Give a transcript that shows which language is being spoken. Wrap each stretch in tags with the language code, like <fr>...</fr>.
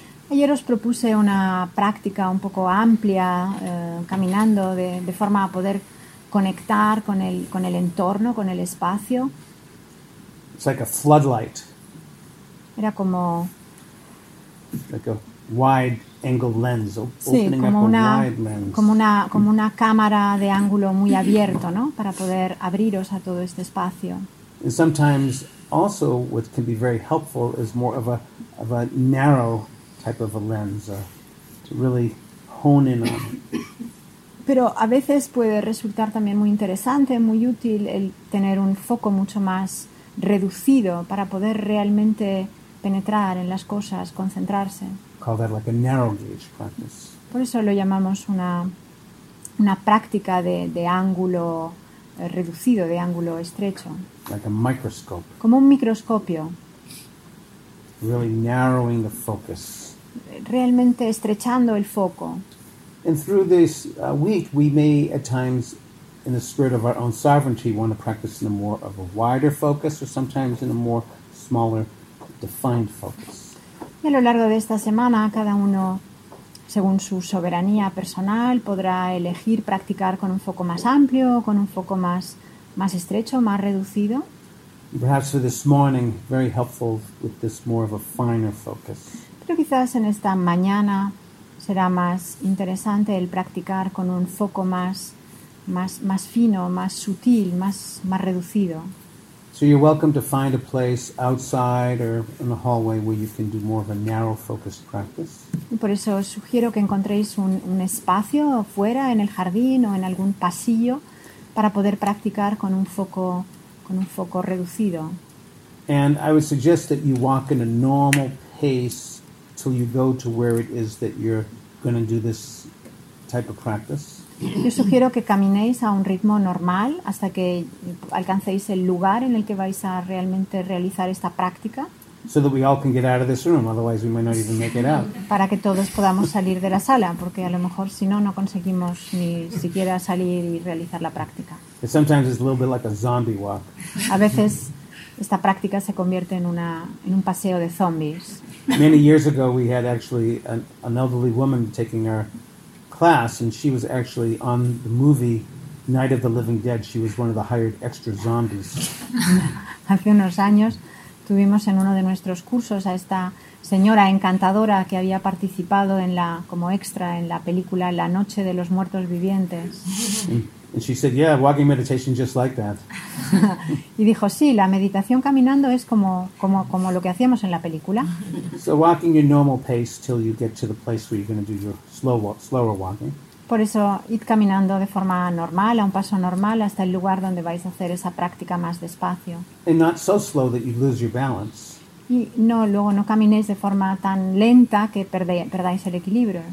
<es>Ayer os propuse una práctica un poco amplia caminando de forma a poder conectar con el entorno, con el espacio.</es> <en>It's like a floodlight.</en> <es>Era como</es> <en>like a wide angle lens, opening</en> <es>como</es> <en>up</en> <es>una,</es> <en>a wide lens.</en> <es>Como una cámara de ángulo muy abierto, ¿no? Para poder abriros a todo este espacio.</es> <en>And sometimes also what can be very helpful is more of a narrow type of a lens, to really hone in on.</en> <es>Pero a veces puede resultar también muy interesante, muy útil el tener un foco mucho más reducido para poder realmente penetrar en las cosas, concentrarse.</es> <en>Call that like a narrow gauge practice.</en> <es>Por eso lo llamamos una práctica de ángulo reducido, de ángulo estrecho.</es> <en>Like a microscope.</en> <es>Como un microscopio.</es> <en>Really narrowing the focus.</en> <es>Realmente estrechando el foco.</es> <en>And through this week, we may at times, in the spirit of our own sovereignty, want to practice in a more of a wider focus, or sometimes in a more smaller, defined focus.</en> <es>Y a lo largo de esta semana, cada uno, según su soberanía personal, podrá elegir practicar con un foco más amplio, con un foco más estrecho, más reducido.</es> <en>Perhaps for this morning, very helpful with this more of a finer focus.</en> <es>Pero quizás en esta mañana será más interesante el practicar con un foco más fino, más sutil, más reducido.</es> <en>So you're welcome to find a place outside or in the hallway where you can do more of a narrow focused practice.</en> <es>Y por eso os sugiero que encontréis un espacio fuera, en el jardín o en algún pasillo, para poder practicar con un foco reducido.</es> <en>And I would suggest that you walk in a normal pace till you go to where it is that you're going to do this type of practice.</en> <es>Yo sugiero que caminéis a un ritmo normal hasta que alcancéis el lugar en el que vais a realmente realizar esta práctica.</es> <en>So that we all can get out of this room, otherwise we might not even make it out.</en> <es>Para que todos podamos salir de la sala, porque a lo mejor si no, no conseguimos ni siquiera salir y realizar la práctica.</es> <en>Sometimes it's a little bit like a zombie walk.</en> <es>A veces esta práctica se convierte en un paseo de zombies.</es> <en>Many years ago we had actually an elderly woman taking our class, and she was actually on the movie Night of the Living Dead. She was one of the hired extra zombies.</en> <es>Hace unos años tuvimos en uno de nuestros cursos a esta señora encantadora que había participado en la como extra en la película La Noche de los Muertos Vivientes.</es> <en>And she said, "Yeah, walking meditation just like that."</en> <es>Y dijo, "Sí, la meditación caminando es como lo que hacíamos en la película."</es> <en>So walking your normal pace till you get to the place where you're going to do your slower walking.</en> <es>Por eso, id caminando de forma normal, a un paso normal, hasta el lugar donde vais a hacer esa práctica más despacio.</es> <en>And not so slow that you lose your balance.</en> <es>Y no, luego no caminéis de forma tan lenta que perdáis el equilibrio.</es>